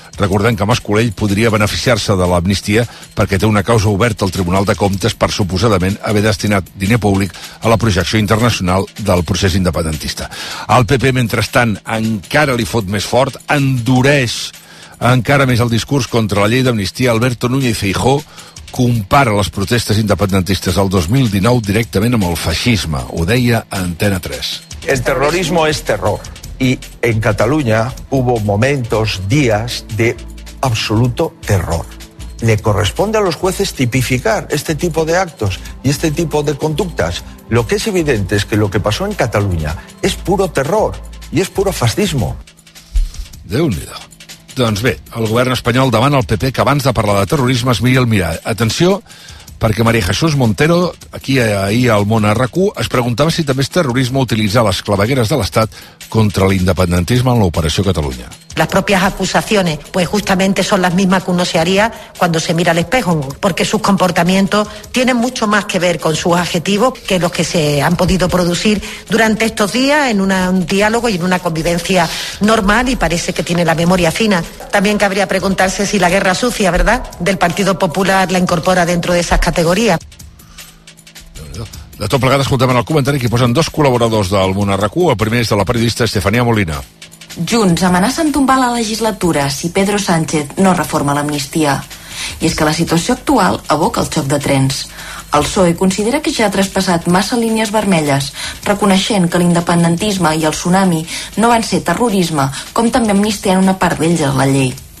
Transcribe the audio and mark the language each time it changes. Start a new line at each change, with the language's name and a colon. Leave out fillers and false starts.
Catalan: Recordem que Mascolell podria beneficiar-se de l'amnistia perquè té una causa oberta al Tribunal de Comptes per suposadament haver destinat diner públic a la projecció internacional del procés independentista. El PP, mentrestant, encara li fot més fort, endureix encara més el discurs contra la llei d'amnistia. Alberto Núñez Feijóo compara les protestes independentistes del 2019 directament amb el feixisme. Ho deia Antena 3.
Spanish: El terrorismo es terror. Y en Cataluña hubo momentos, días de absoluto terror. Le corresponde a los jueces tipificar este tipo de actos y este tipo de conductas. Lo que es evidente es que lo que pasó en Cataluña es puro terror y es puro fascismo.
Catalan: Déu-n'hi-do. Doncs bé, el govern espanyol demana al PP que abans de parlar de terrorisme es miri el mirall. Atenció, perquè María Jesús Montero, aquí ahir al món a RAC1, es preguntava si també és terrorisme utilitzar les clavegueres de l'Estat contra l'independentisme en l'operació Catalunya.
Spanish: Las propias acusaciones, pues justamente son las mismas que uno se haría cuando se mira al espejo, porque sus comportamientos tienen mucho más que ver con sus adjetivos que los que se han podido producir durante estos días en un diálogo y en una convivencia normal, y parece que tiene la memoria fina. También cabría preguntarse si la guerra sucia, ¿verdad?, del Partido Popular la incorpora dentro de esas categorías.
Catalan: De tot plegat, escoltem en el comentari que posen dos col·laboradors del món a RAC1. El primer és de la periodista Estefania Molina. Junts amenaça en tombar la legislatura si Pedro Sánchez no reforma l'amnistia. I és que la situació actual aboca el xoc de trens. El PSOE considera que ja ha traspassat massa línies vermelles, reconeixent que l'independentisme i el tsunami no van ser terrorisme, com també amnistia en una part d'ells a la llei.